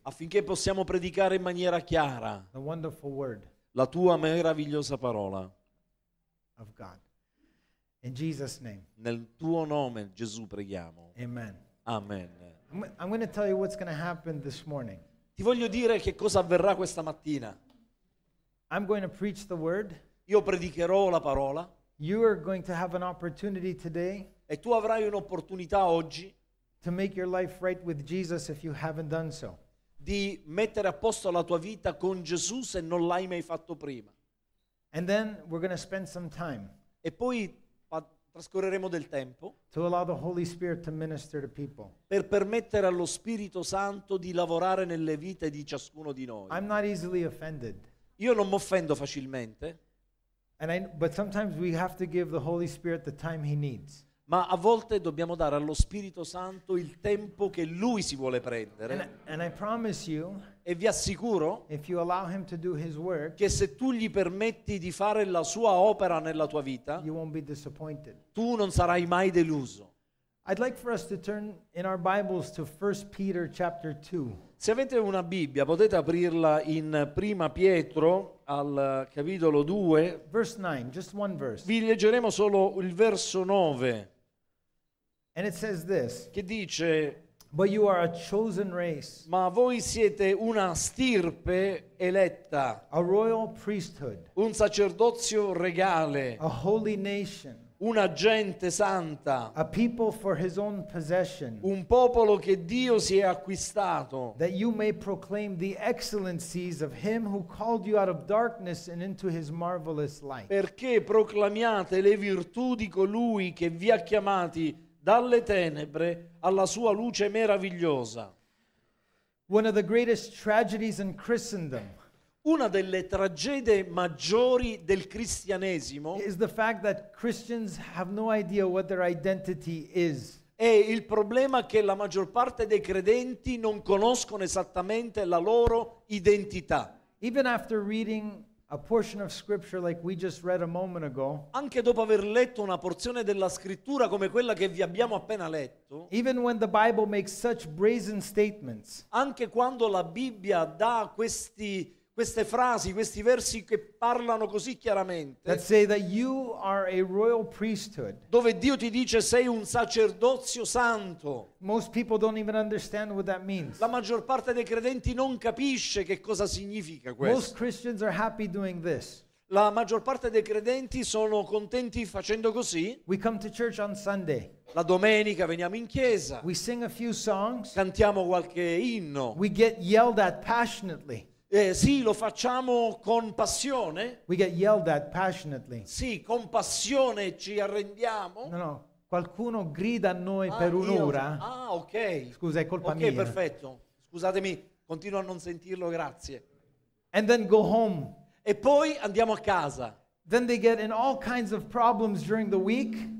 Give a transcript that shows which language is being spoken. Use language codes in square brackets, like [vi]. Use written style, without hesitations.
[it] Affinché possiamo predicare in maniera chiara. [en] The wonderful word. [it] La tua meravigliosa parola. [en] Of God. In Jesus' name. [it] Nel tuo nome, Gesù, preghiamo. [en] Amen. [it] Amen. [en] I'm going to tell you what's going to happen this morning. [it] Ti voglio dire che cosa avverrà questa mattina. [en] I'm going to preach the word. [it] Io predicherò la parola. [en] You are going to have an opportunity today. [it] E tu avrai un'opportunità oggi. [en] To make your life right with Jesus if you haven't done so. [it] Di mettere a posto la tua vita con Gesù se non l'hai mai fatto prima. [en] And then we're going to spend some time. [it] E poi trascorreremo del tempo. [en] To allow the Holy Spirit to minister to people. [it] Per permettere allo Spirito Santo di lavorare nelle vite di ciascuno di noi. [en] I'm not easily offended. [it] Io non mi offendo facilmente. [en] But sometimes we have to give the Holy Spirit the time he needs. [it] Ma a volte dobbiamo dare allo Spirito Santo il tempo che lui si vuole prendere. [en] And I promise you, [it] e vi assicuro, [en] if you allow him to do his work, [it] che se tu gli permetti di fare la sua opera nella tua vita, [en] you won't be disappointed. [it] Tu non sarai mai deluso. [en] I'd like for us to turn in our Bibles to 1 Peter chapter 2. [it] Se avete una Bibbia, potete aprirla in Prima Pietro al capitolo 2. [en] Verse 9, just one verse. [it] Vi leggeremo solo il verso 9. [en] And it says this. [it] Che dice: [en] But you are a chosen race. [it] Ma voi siete una stirpe eletta. [en] A royal priesthood. [it] Un sacerdozio regale. [en] A holy nation. [it] Una gente santa. [en] A people for his own possession. [it] Un popolo che Dio si è acquistato. [en] That you may proclaim the excellencies of him who called you out of darkness and into his marvelous light. [it] Perché proclamiate le virtù di colui che vi ha chiamati dalle tenebre alla sua luce meravigliosa. [en] One of the greatest tragedies in Christendom. [it] Una delle tragedie maggiori del cristianesimo [en] is the fact that Christians have no idea what their identity is. [it] È il problema che la maggior parte dei credenti non conoscono esattamente la loro identità. [en] Even after reading a portion of scripture like we just read a moment ago, [it] anche dopo aver letto una porzione della scrittura come quella che vi abbiamo appena letto, [en] even when the Bible makes such brazen statements, [it] anche quando la Bibbia dà questi queste frasi, questi versi che parlano così chiaramente, [en] that say that you are a royal priesthood, [it] dove Dio ti dice sei un sacerdozio santo, [en] most people don't even understand what that means. [it] La maggior parte dei credenti non capisce che cosa significa questo. [en] Most Christians are happy doing this. [it] La maggior parte dei credenti sono contenti facendo così. [en] We come to church on Sunday. [it] La domenica veniamo in chiesa. [en] We sing a few songs. [it] Cantiamo qualche inno. [en] We get yelled at passionately. [it] Sì, lo facciamo con passione. [en] We get yelled at passionately. [it] Sì, con passione ci arrendiamo. No, no, qualcuno grida a noi per un'ora. Ah, ok. Scusa, è colpa mia. Ok, perfetto. Scusatemi, continuo a non sentirlo, grazie. [en] And then go home. [it] E poi andiamo a casa. [en] Then they get in all kinds of problems during the week.